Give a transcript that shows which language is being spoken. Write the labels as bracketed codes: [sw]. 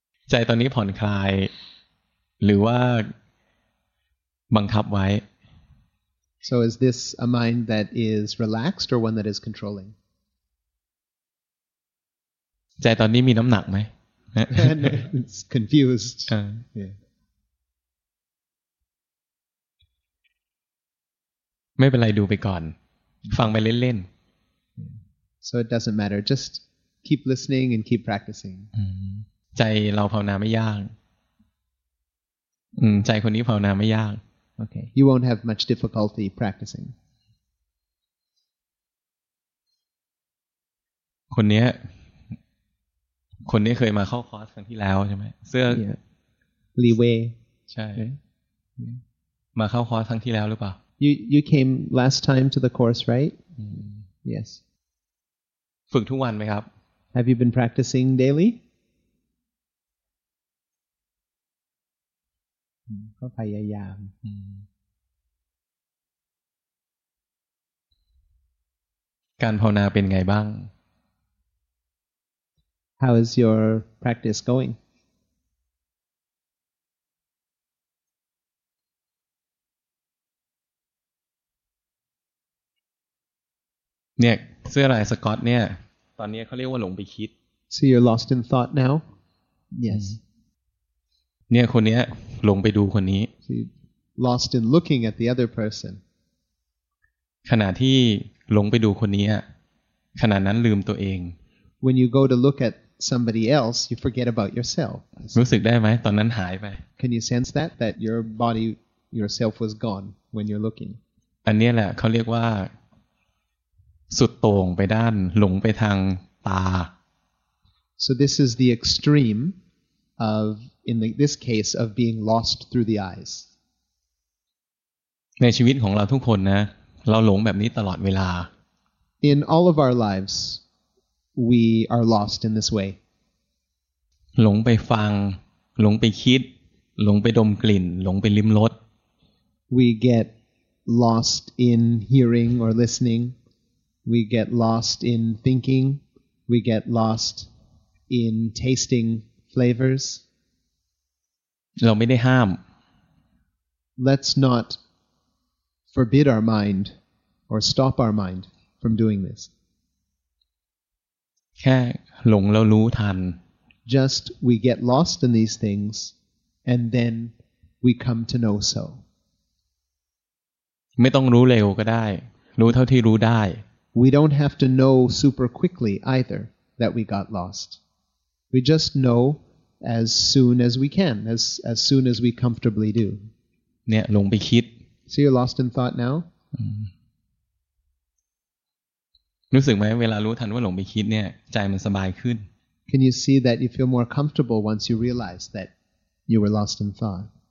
[th] ใจตอนนี้ผ่อนคลายหรือว่าบังคับไว้ [en] So is this a mind that is relaxed or one that is controlling? [th] ใจตอนนี้มีน้ำหนักไหม [en] It's confused. [th] ไม่เป็นไรดูไปก่อนฟังไปเล่น [en] ๆ So it doesn't matter just keep listening and keep practicing [th] ใจเราภาวนาไม่ยากใจคนนี้ภาวนาไม่ยาก [en] Okay you won't have much difficulty practicing [th] คนนี้เคยมาเข้าคอร์สครั้งที่แล้วใช่ไหมเสื้อ [en] yeah. Li Wei [th] ใช่ okay. มาเข้าคอร์สครั้งที่แล้วหรือเปล่า [en] You came last time to the course, right? Yes. [th] ฝึกทุกวันไหมครับ [en] Have you been practicing daily? [th] ก็พยายาม การภาวนาเป็นไงบ้าง [en] How is your practice going? [th] เนี่ยเสื้ออะไรสก็อตเนี่ยตอนนี้เขาเรียกว่าหลงไปคิด [en] So you're lost in thought now? Yes. [th] เนี่ยคนนี้หลงไปดูคนนี้ [en] So you're lost in looking at the other person. [th] ขณะที่หลงไปดูคนนี้ขณะนั้นลืมตัวเอง [en] When you go to look at somebody else, you forget about yourself. [th] รู้สึกได้ไหมตอนนั้นหายไป [en] Can you sense that? That your body, yourself was gone when you're looking. [th] อันนี้แหละเขาเรียกว่าสุดโต่งไปด้านหลงไปทางตา [en] So this is the extreme of in the, this case of being lost through the eyes [th] ในชีวิตของเราทุกคนนะเราหลงแบบนี้ตลอดเวลา [en] In all of our lives we are lost in this way [th] หลงไปฟังหลงไปคิดหลงไปดมกลิ่นหลงไปลิ้มรส [en] We get lost in hearing or listeningWe get lost in thinking. We get lost in tasting flavors. [th] เราไม่ได้ห้าม [en] Let's not forbid our mind or stop our mind from doing this. [th] แค่หลงแล้วรู้ทัน [en] Just we get lost in these things and then we come to know so. [th] ไม่ต้องรู้เร็วก็ได้รู้เท่าที่รู้ได้ [en] We don't have to know super quickly either that we got lost. We just know as soon as we can, as soon as we comfortably do. [th] เนี่ยลงไปคิด [en] So you're lost in thought now? [th] รู้สึกไหมเวลารู้ทันว่าหลงไปคิดเนี่ยใจมันสบายขึ้น [en] Can you see that you feel more comfortable once you realize that you were lost in thought?